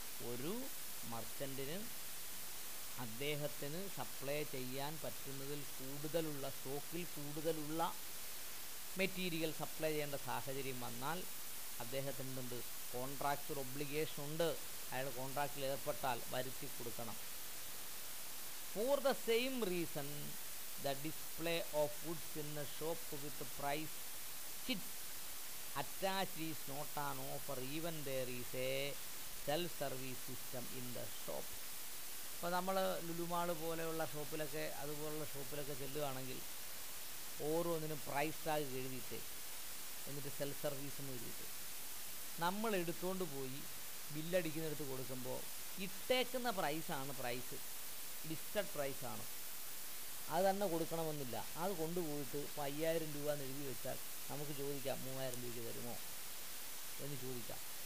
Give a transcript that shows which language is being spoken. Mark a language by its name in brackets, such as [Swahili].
[Malayalam] ഒരു മർച്ചൻറ്റിന് അദ്ദേഹത്തിന് സപ്ലൈ ചെയ്യാൻ പറ്റുന്നതിൽ കൂടുതലുള്ള സ്റ്റോക്കിൽ കൂടുതലുള്ള മെറ്റീരിയൽ സപ്ലൈ ചെയ്യേണ്ട സാഹചര്യം വന്നാൽ അദ്ദേഹത്തിന് എന്ത് കോൺട്രാക്ച്വൽ ഒബ്ലിഗേഷൻ ഉണ്ട്, അയാൾ കോൺട്രാക്റ്റിൽ ഏർപ്പെട്ടാൽ വരുത്തി കൊടുക്കണം. [English] For the same reason the display of goods in the shop with price chit attached is not an offer even there is a self service system in the shop. [Malayalam] ഇപ്പൊ നമ്മൾ ലുലുമാൾ പോലെയുള്ള ഷോപ്പിലൊക്കെ അതുപോലുള്ള ഷോപ്പിലൊക്കെ ചെല്ലുകയാണെങ്കിൽ ഓരോന്നിനും price tag എഴുതിയിട്ട് എന്നിട്ട് self service എന്ന് എഴുതിയിട്ട് നമ്മൾ എടുത്തുകൊണ്ട് പോയി ബില്ലടിക്കുന്നിടത്ത് കൊടുക്കുമ്പോൾ ഇട്ടേക്കുന്ന പ്രൈസാണ് പ്രൈസ് ലിസ്റ്റഡ് പ്രൈസാണ്, അത് തന്നെ കൊടുക്കണമെന്നില്ല, അത് കൊണ്ടുപോയിട്ട് 5000 രൂപ എന്ന് എഴുതി വെച്ചാൽ നമുക്ക് ചോദിക്കാം 3000 രൂപയ്ക്ക് തരുമോ എന്ന് ചോദിക്കാം.